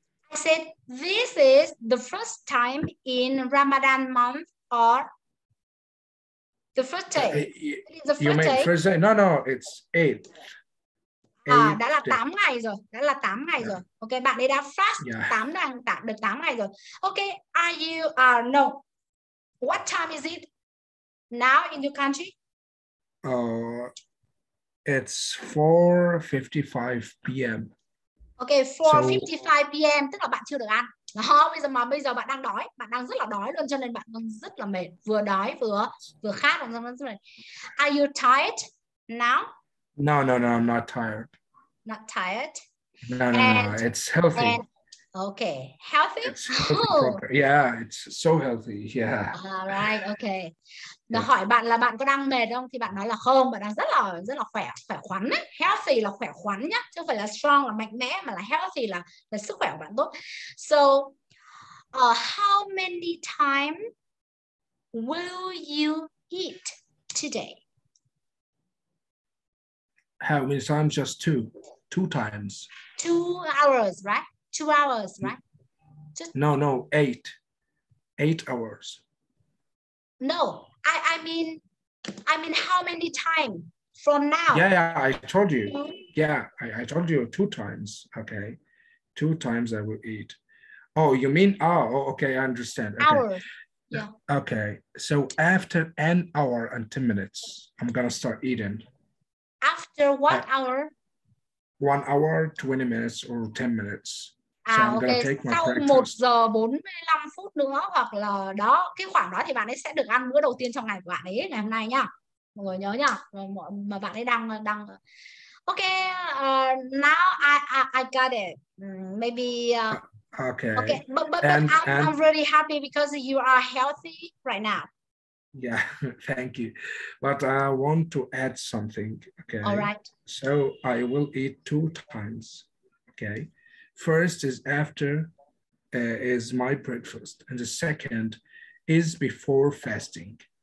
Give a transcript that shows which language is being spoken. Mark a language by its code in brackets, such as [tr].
[en] I said this is the first time in Ramadan month or the first day. You mean first day? No, it's eighth. [vi] đã là 8 ngày rồi, đã là 8 ngày rồi. Ok, bạn ấy đã fast 8 đang tạm được 8 ngày rồi. [en] Ok, are you no. What time is it now in your country? It's 4:55 p.m. [vi] Ok, 4:55 p.m. tức là bạn chưa được ăn. Bây giờ bạn đang đói, bạn đang rất là đói luôn, cho nên bạn đang rất là mệt, vừa đói vừa khát. [en] Are you tired now? No, I'm not tired. Not tired? No, it's healthy. And, okay, healthy? It's healthy, yeah, it's so healthy, yeah. All right, okay. Yeah. [vi] Hỏi bạn là bạn có đang mệt không? Thì bạn nói là không, bạn đang rất là khỏe khoắn ấy. Healthy là khỏe khoắn nhá, chứ không phải là strong, là mạnh mẽ, mà là healthy là sức khỏe của bạn tốt. [en] So, how many times will you eat today? How many times? Just two times. 2 hours, right? 2 hours, right? No, eight. 8 hours. No, I mean, how many times from now? Yeah, I told you. Yeah, I told you two times. Okay, two times I will eat. Oh, you mean? Oh, okay, I understand. Okay. Hours. Yeah. Okay, so after an hour and 10 minutes, I'm gonna start eating. After what hour? 1 hour, 20 minutes or 10 minutes. [vi] Sau 1 giờ 45 phút nữa hoặc là đó, cái khoảng đó thì bạn ấy sẽ được ăn bữa đầu tiên trong ngày của bạn ấy ngày hôm nay nhá. Mọi người nhớ nhá. Mà bạn ấy đang [en] Ok, now I got it. Maybe okay. Okay, but I'm really happy because you are healthy right now. Yeah, thank you. But I want to add something. Okay. All right. So I will eat two times. Okay. First is after is my breakfast, and the second is before fasting.